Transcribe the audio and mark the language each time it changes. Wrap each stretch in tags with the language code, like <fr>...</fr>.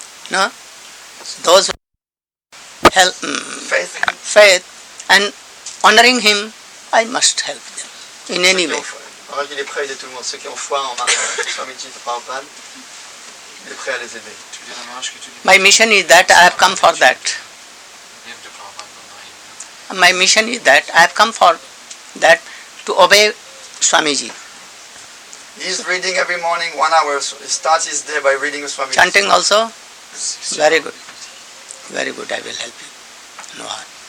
<en>No? Those who help faith and honoring him, I must help them in any way.</en> <fr>Il est prêt à aider tout le monde. Ceux qui ont foi en Swamiji Prabhupada, il est prêt à les aider.</fr> <en>My mission is that I have come for that. My mission is that I have come for that to obey Swamiji. He is reading every morning 1 hour. So he starts his day by reading Swamiji. Chanting also? Very good. Very good. I will help you. No harm.</en>